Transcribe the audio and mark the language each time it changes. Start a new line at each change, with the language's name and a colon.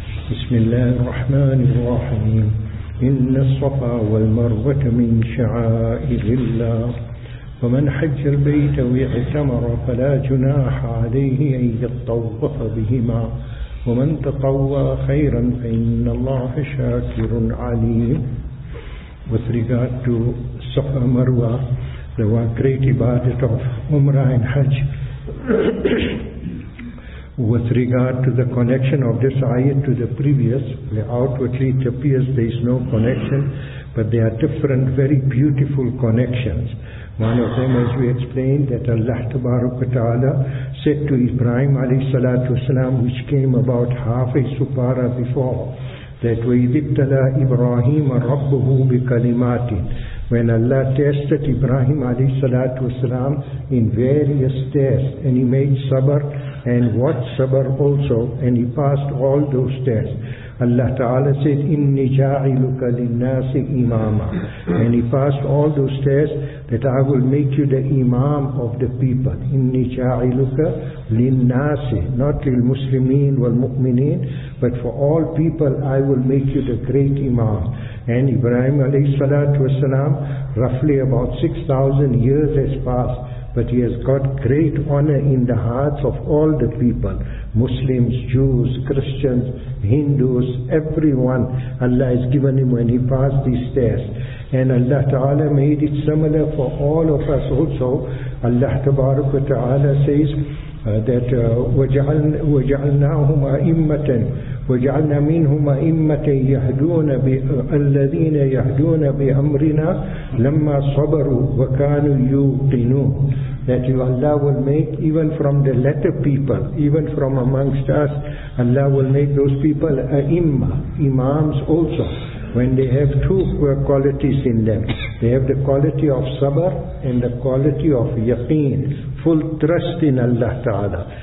Arabic: بسم الله الرحمن الرحيم. إن الصفا والمروة من شعائر الله، فمن حج البيت واعتمر فلا جناح عليه أن يطوف بهما، ومن تطوى خيرا فإن الله شاكر عليم.
English: With regard to Safa and Marwa, the great ibadat of Umrah and Hajj, with regard to the connection of this ayat to the previous, outwardly it appears there is no connection, but there are different, very beautiful connections. One of them, as we explained, that Allah Tabaraka Ta'ala said to Ibrahim alayhi salatu wasalam, which came about half a supara before, that
Arabic: وَإِذِبْتَلَىٰ إِبْرَاهِيمَ رَبُّهُ بِكَلِمَاتٍ.
English: When Allah tested Ibrahim alayhi salatu wasalam in various tests, and he made sabr and watched sabr also, and he passed all those tests. Allah Ta'ala said,
Arabic: إِنِّي جَاعِلُكَ لِلنَّاسِ إِمَامًا.
English: And he passed all those tests, that I will make you the imam of the people.
Arabic: إِنِّي جَاعِلُكَ لِلنَّاسِ.
English: Not
Arabic: لِلْمُسْلِمِينَ وَالْمُؤْمِنِينَ,
English: but for all people I will make you the great imam. And Ibrahim alayhi salatu wasalam, roughly about 6,000 years has passed, but he has got great honor in the hearts of all the people, Muslims, Jews, Christians, Hindus, everyone. Allah has given him when he passed these tests. And Allah Ta'ala made it similar for all of us also. Allah Tabaraka Ta'ala says that
Arabic: وَجَعَلْنَاهُمْ أَئِمَّةً وَجَعَلْنَا مِنْهُمْ أَئِمَّةً يَهْدُونَ الَّذِينَ يَهْدُونَ بِأَمْرِنَا لَمَّا صَبَرُوا وَكَانُوا يُوقِنُونَ.
English: That Allah will make, even from the latter people, even from amongst us, Allah will make those people a'imma, imams also, when they have two qualities in them. They have the quality of sabr and the quality of yaqeen, full trust in Allah Ta'ala.